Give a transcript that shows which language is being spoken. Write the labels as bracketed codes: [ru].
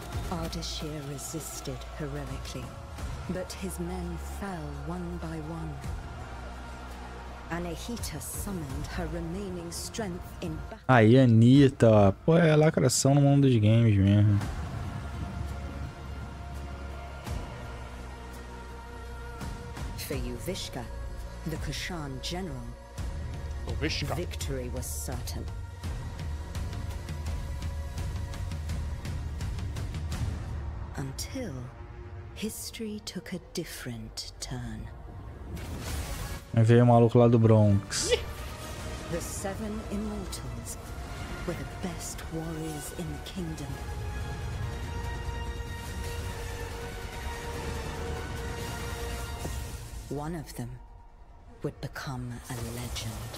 [en] Ardashir resisted heroically, but his men fell one by one. Anahita summoned her remaining strength in battle. [pt] Aí, Anahita, pô, é lacração no mundo dos games mesmo. [en] For Yuvishka, the Kushan general, Yuvishka. Victory was certain. Until history took a different turn. [pt] Aí veio o maluco lá do Bronx. [en] The seven immortals were the best warriors in the kingdom. One of them would become a legend.